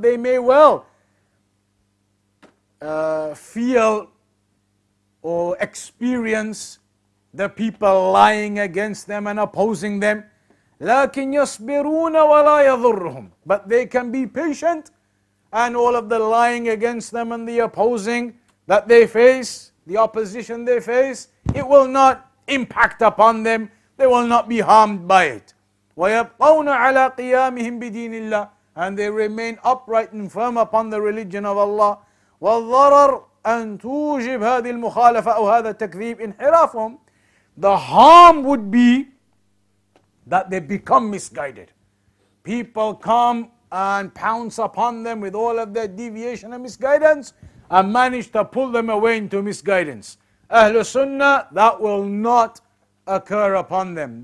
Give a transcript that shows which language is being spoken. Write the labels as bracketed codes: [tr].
[en] They may well feel or experience the people lying against them and opposing them. [ar] لكن يصبرون ولا يضرهم. [en] But they can be patient, and all of the lying against them and the opposing that they face, the opposition they face, it will not impact upon them. They will not be harmed by it. [ar] ويبقون على قيامهم بدين الله. [en] And they remain upright and firm upon the religion of Allah. [ar] والضرر أن توجب هذه المخالفة أو هذا التكذيب انحرافهم. [en] The harm would be that they become misguided. People come and pounce upon them with all of their deviation and misguidance and manage to pull them away into misguidance. Ahlul Sunnah, that will not occur upon them.